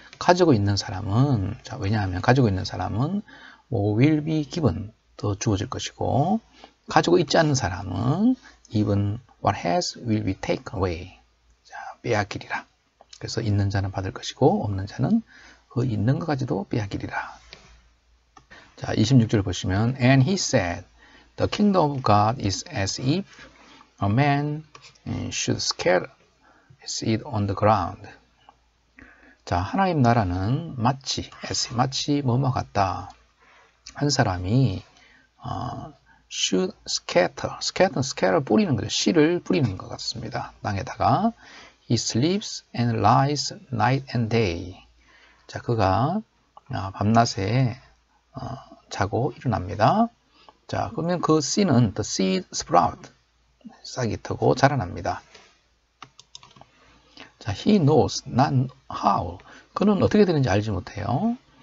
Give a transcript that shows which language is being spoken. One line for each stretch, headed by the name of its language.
Korean: 가지고 있는 사람은 자, 왜냐하면 가지고 있는 사람은 뭐
English: will be given
Korean: 더 주어질 것이고 가지고 있지 않는 사람은
English: even What has will be taken away.
Korean: 자, 빼앗기리라. 그래서 있는 자는 받을 것이고 없는 자는 그 있는 것까지도 빼앗기리라. 자, 26절 보시면
English: And he said, The kingdom of God is as if a man should scatter seed on the ground.
Korean: 자, 하나님 나라는 마치 as 마치 뭐뭐 같다. 한 사람이
English: should scatter
Korean: 뿌리는 거죠. 씨를 뿌리는 것 같습니다.
English: 땅에다가 he sleeps and lies night and day.
Korean: 자, 그가 밤낮에 자고 일어납니다. 자, 그러면 그 씨는
English: the seed sprout
Korean: 싹이 트고 자라납니다. 자,
English: he knows not how
Korean: 그는 어떻게 되는지 알지 못해요.